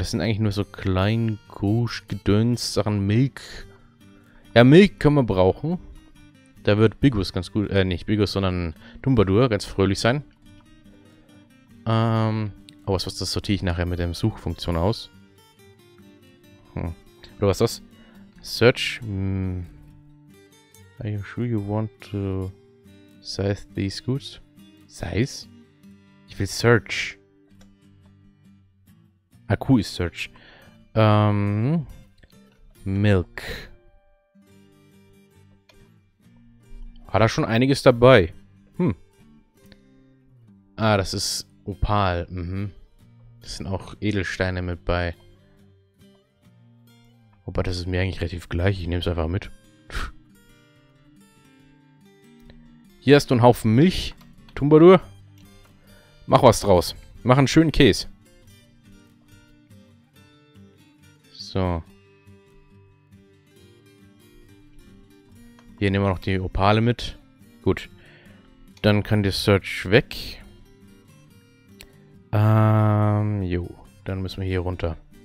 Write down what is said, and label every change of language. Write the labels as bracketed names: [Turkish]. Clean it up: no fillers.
[German] Das sind eigentlich nur so klein, gusch, gedöns, Sachen, Milk. Ja, Milk können wir brauchen. Da wird Bigus ganz gut, nicht Bigus, sondern Dumbadur ganz fröhlich sein. Was das sortiere ich nachher mit der Suchfunktion aus. Oder was ist das? Search. [English] Are you sure you want to save these goods? [German] Size? Ich will Search. AQ ist Search. [English] Milk. [German] Hat er schon einiges dabei? Ah, das ist Opal. Das sind auch Edelsteine mit bei. Wobei, das ist mir eigentlich relativ gleich. Ich nehme es einfach mit. Hier hast du einen Haufen Milch. Tumbadur, mach was draus. Mach einen schönen Käse. So. Hier nehmen wir noch die Opale mit. Gut. Dann kann der Search weg. Jo. Dann müssen wir hier runter.